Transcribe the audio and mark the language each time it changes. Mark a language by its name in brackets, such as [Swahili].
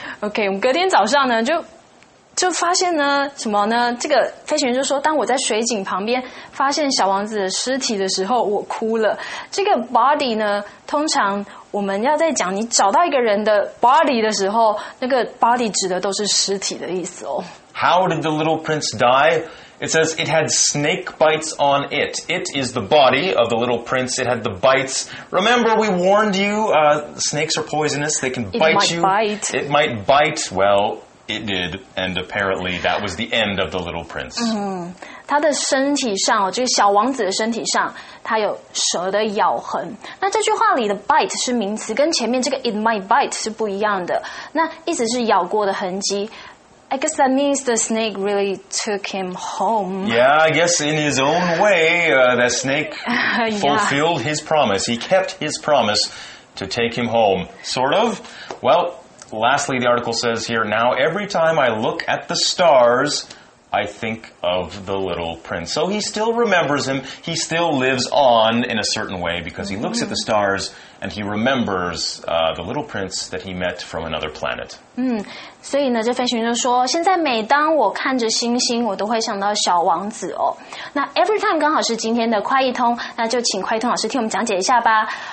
[English] Okay, [Chinese] 隔天早上呢就发现呢什么呢这个飞行员就说当我在水井旁边发现小王子的尸体的时候我哭了这个 body 呢通常我们要在讲你找到一个人的 body 的时候那个 body 指的都是尸体的意思哦 [English] How did the little prince die? It says it had snake bites on it. It is the body of the little prince. It had the bites. Remember we warned you snakes are poisonous. They can bite you. It might bite. Well,It did, and apparently that was the end of the little prince. [Chinese] 嗯，他的身体上，这个小王子的身体上，他有蛇的咬痕。那这句话里的 bite 是名词，跟前面这个 [English] it might bite [Chinese] 是不一样的。那意思是咬过的痕迹。 [English] I guess that means the snake really took him home. Yeah, I guess in his own way, that snake fulfilled his promise. He kept his promise to take him home, sort of. Well,Lastly, the article says here, now every time I look at the stars, I think of the little prince. So he still remembers him. He still lives on in a certain way because he looks at the stars and he remembers, the little prince that he met from another planet. [Chinese] 嗯，所以呢，这飞行员就说，现在每当我看着星星，我都会想到小王子哦。那 every time 刚好是今天的快译通，那就请快译通老师替我们讲解一下吧。